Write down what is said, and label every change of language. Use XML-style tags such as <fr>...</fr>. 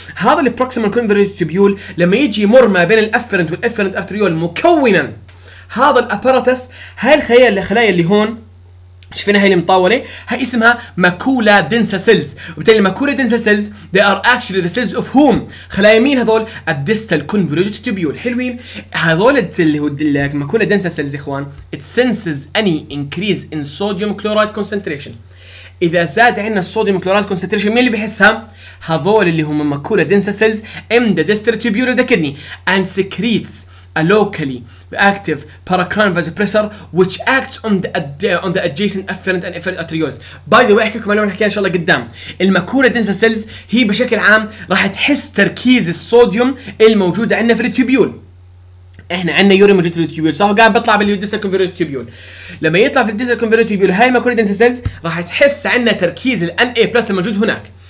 <ar>هذا البروكسيمال كونفرت تيبيول لما يجي يمر ما بين الافرنت والافرنت ارتريول مكونا هذا الابارتس، هاي الخلايا اللي هون شفنا هاي المطاولة، هاي اسمها ماكولا دنسا سيلز. وبالتالي ماكولا دنسا سيلز</ar> <en>they are actually the cells of whom؟</en> <ar>خلايا مين هذول؟ الديستال كونفولوتد تيبيول. حلوين هذول اللي هو ماكولا دنسا سيلز اخوان</ar> <en>it senses any increase in sodium chloride concentration.</en> <ar>اذا زاد عندنا الصوديوم كلورايد كونسنتريشن مين اللي بيحسها؟ هذول اللي هم ماكولا دنسا سيلز</ar> <en>in the distal tubule of the kidney and secretes a locally active paracrine vasopressor which acts on the adjacent afferent and efferent arterioles. By the way</en> <ar>احكي لكم معلومه نحكيها ان شاء الله قدام. الماكولا دنسا سيلز هي بشكل عام راح تحس تركيز الصوديوم الموجود عندنا في التيبيول. احنا عندنا يورين موجود في التيبيول صح؟ وقاعد بيطلع بالديستال كونفرت تيبيول. لما يطلع في الديستال كونفرت تيبيول هاي الماكولا دنسا سيلز راح تحس عندنا تركيز ال NA بلس الموجود هناك.</ar>